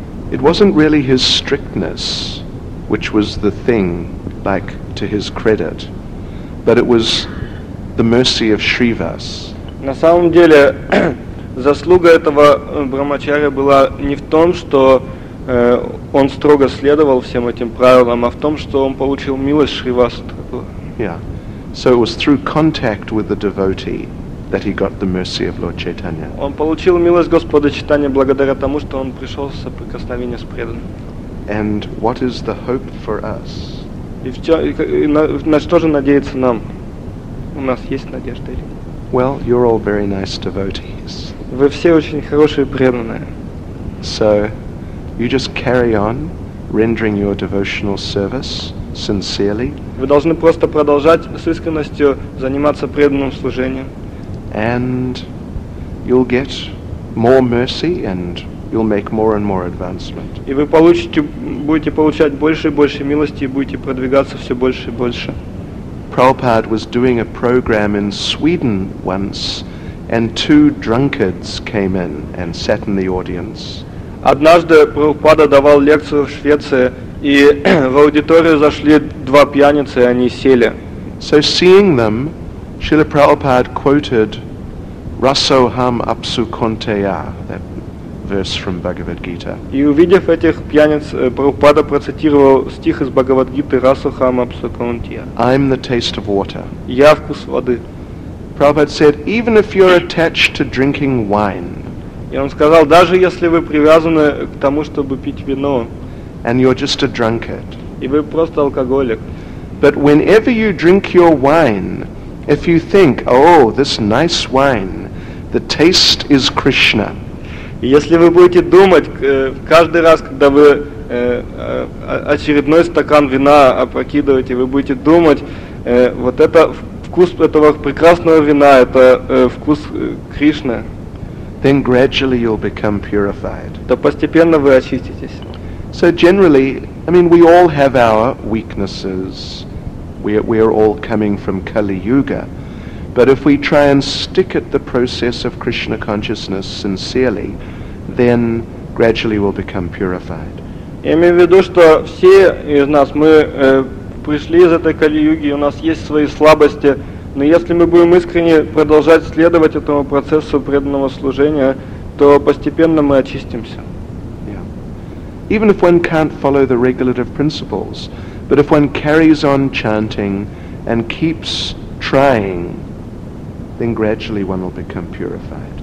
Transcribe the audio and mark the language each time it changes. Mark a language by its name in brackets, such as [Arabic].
[English] It wasn't really his strictness which was the thing, like to his credit, but it was the mercy of Shrivas. [Russian] На самом деле заслуга этого брахмачарья была не в том, что он строго следовал всем этим правилам, а в том, что он получил милость Шриваса. Yeah. [English] So it was through contact with the devotee that he got the mercy of Lord Chaitanya. [Russian] Он получил милость Господа Чайтанья благодаря тому, что он пришел в соприкосновение с преданным. [English] And what is the hope for us? [Russian] И на что же надеяться нам? у нас есть надежда или нет. [English] Well, you're all very nice devotees. [Russian] Вы все очень хорошие преданные. [English] So, you just carry on rendering your devotional service sincerely. [Russian] Вы должны просто продолжать с искренностью заниматься преданным служением. [English] And you'll get more mercy and you'll make more and more advancement. [Russian] И вы будете получать больше и больше милости и будете продвигаться все больше и больше. [English] Prabhupada was doing a program in Sweden once, and two drunkards came in and sat in the audience. [Russian] Однажды Прабхупада давал лекцию в Швеции, и в аудиторию зашли два пьяницы, и они сели. [English] So seeing them, Srila Prabhupada quoted [Sanskrit] Rasoham Apsu Konteya, [English] that verse from Bhagavad Gita. [Russian] И увидев этих пьяниц, Прабхупада процитировал стих из Бхагавадгиты [Sanskrit] Rasoham Apsu Konteya. [English] I'm the taste of water. [Russian] Я вкус воды. [English] Prabhupada said, even if you're attached to drinking wine. [Russian] И он сказал, даже если вы привязаны к тому, чтобы пить вино. [English] And you're just a drunkard. [Russian] И вы просто алкоголик. [English] But whenever you drink your wine, if you think, oh, this nice wine, the taste is Krishna. [Russian] Если вы будете думать каждый раз, когда вы очередной стакан вина опрокидываете, вы будете думать, вот это вкус этого прекрасного вина, это вкус Кришны. [English] Then gradually you'll become purified. [Russian] То постепенно вы очиститесь. [English] So generally, I mean, we all have our weaknesses. We are all coming from Kali Yuga, but if we try and stick at the process of Krishna consciousness sincerely, then gradually we'll become purified. [Russian] Я имею в виду, что все из нас мы пришли из этой Кали Юги, у нас есть свои слабости, но если мы будем искренне продолжать следовать этому процессу преданного служения, то постепенно мы очистимся. Yeah. [English] Even if one can't follow the regulative principles. But if one carries on chanting and keeps trying, then gradually one will become purified.